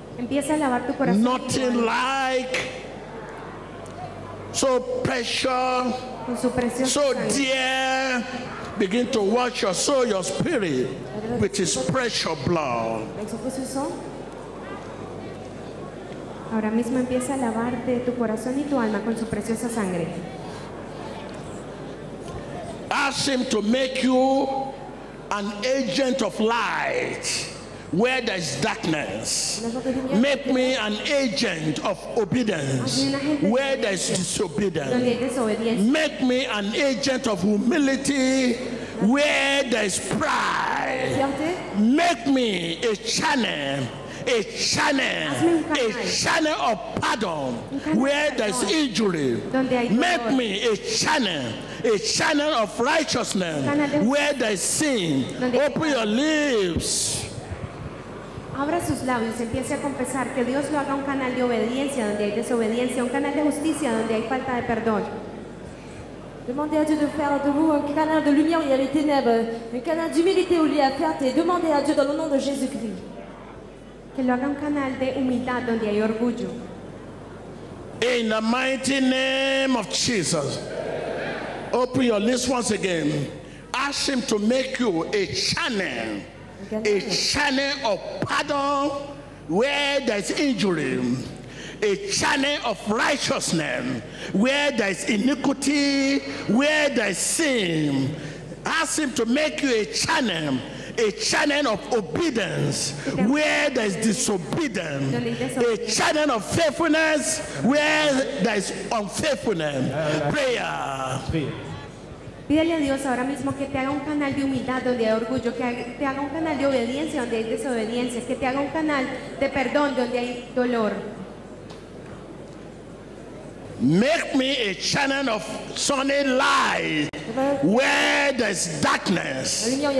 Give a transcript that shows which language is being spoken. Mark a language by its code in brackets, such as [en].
[en] Nothing like so precious, so dear. Begin to wash your soul, your spirit, with his precious blood. [es] Ahora mismo empieza a lavarte tu corazón y tu alma con su preciosa sangre. [en] Ask him to make you an agent of light where there is darkness. Make me an agent of obedience where there is disobedience. Make me an agent of humility where there is pride. Make me a channel of pardon where there is injury. Make me a channel of righteousness where there is sin. Open your lips. [es] Abra sus labios y empiece a confesar que Dios lo haga un canal de obediencia donde hay desobediencia, un canal de justicia donde hay falta de perdón. [fr] Demandez à Dieu de faire de vous un canal de lumière où il y a les ténèbres, un canal d'humilité où il y a fierté. Demandez à Dieu dans le nom de Jésus-Christ [es] que lo haga un canal de humildad donde hay orgullo. [en] In the mighty name of Jesus, open your lips once again. Ask him to make you a channel of pardon where there is injury, a channel of righteousness where there is iniquity, where there is sin. Ask him to make you a channel of obedience where there is disobedience, a channel of faithfulness where there is unfaithfulness. Prayer. [es] Pídele a Dios ahora mismo que te haga un canal de humildad donde hay orgullo, que te haga un canal de obediencia donde hay desobediencia, que te haga un canal de perdón donde hay dolor. [en] Make me a channel of sunny light where there is darkness.